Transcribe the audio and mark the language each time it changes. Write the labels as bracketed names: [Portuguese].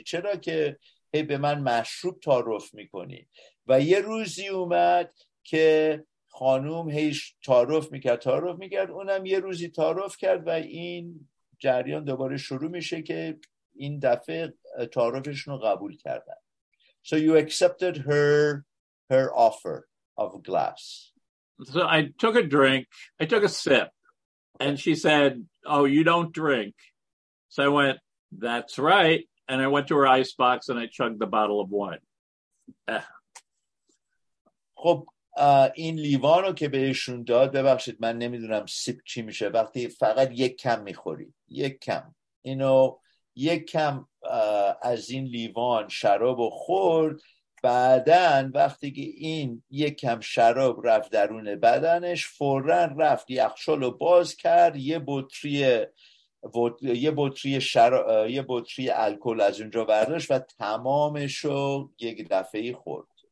[Persian] چرا که هی به من مشروب تعارف میکنی؟ و یه روزی اومد که خانوم هیش تعارف میکرد اونم یه روزی تعارف کرد و این جریان دوباره شروع میشه که این دفعه تعارفشون رو قبول کردن. [English] So you accepted her offer of a glass. So I took a drink, I took a sip, and she said, oh, you don't drink. So I went, that's right. And I went to her ice box and I chugged the bottle of wine. [Persian] خب این لیوانو که بهشون داد، ببخشید من نمیدونم سیپ چی میشه وقتی فقط یک کم میخوری، یک کم اینو، یک کم از این لیوان شراب و خورد. بعدن وقتی که این یک کم شراب رفت درون بدنش، فوراً رفت یخچالو باز کرد، یه بطری الکل از اونجا برداشت و تمامشو یک دفعه خورد.